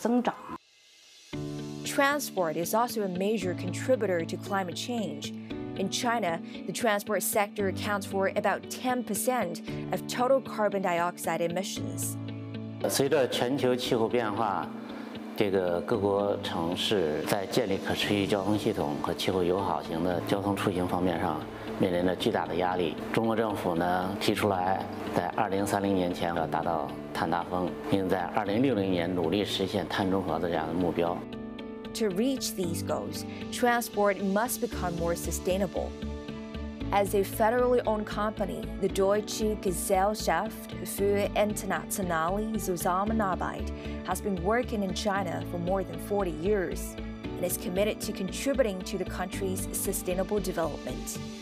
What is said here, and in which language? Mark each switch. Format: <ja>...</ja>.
<zh>城市交通拥堵、空气污染，这是大城市普遍存在的一个问题。其实也是全球性的一个问题。中国正处于一个快速的一个城镇化发展的过程当中，城镇化的发展同时就会带来这个交通需求的一个增长。</zh> <en>Transport is also a major contributor to climate change. In China, the transport sector accounts for about 10% of total carbon dioxide emissions.</en> <zh>随着全球气候变化，这个各国城市在建立可持续交通系统和气候友好型的交通出行方面上面临着巨大的压力。中国政府呢提出来，在2030年前要达到碳达峰，并在2060年努力实现碳中和的这样的目标。</zh> <en>To reach these goals, transport must become more sustainable. As a federally owned company, the Deutsche Gesellschaft für internationale Zusammenarbeit has been working in China for more than 40 years and is committed to contributing to the country's sustainable development.</en>